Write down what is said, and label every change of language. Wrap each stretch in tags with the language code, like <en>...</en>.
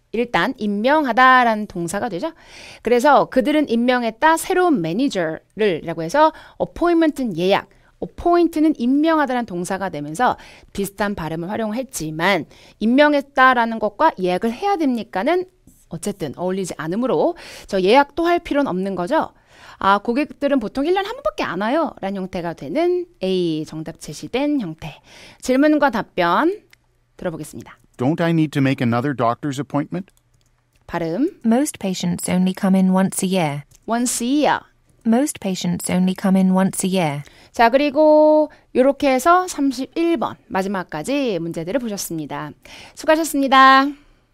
<ko>일단 임명하다라는 동사가 되죠. 그래서 그들은 임명했다 새로운 매니저를 라고 해서 appointment은 예약, appoint는 임명하다라는 동사가 되면서 비슷한 발음을 활용했지만 임명했다라는 것과 예약을 해야 됩니까는 어쨌든 어울리지 않으므로 저 예약도 할 필요는 없는 거죠. 아, 고객들은 보통 1년에 한 번밖에 안 와요 라는 형태가 되는 A 정답 제시된 형태. 질문과 답변 들어보겠습니다.</ko> <en>Don't I need to make another doctor's appointment?</en> <ko>발음.</ko> <en>Most patients only come in once a year. Once a year. Most patients only come in once a year.</en> <ko>자, 그리고 이렇게 해서 31번 마지막까지 문제들을 보셨습니다. 수고하셨습니다.</ko>